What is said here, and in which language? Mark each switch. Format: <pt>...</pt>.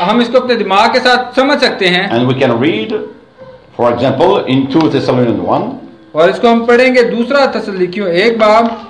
<hi>हम इसको अपने दिमाग के साथ समझ सकते हैं.</hi> <en>And we can read, for example, in 2 Thessalonians 1.</en> <hi>और इसको हम पढ़ेंगे दूसरा तसल्लीकियों 1 बाब</hi>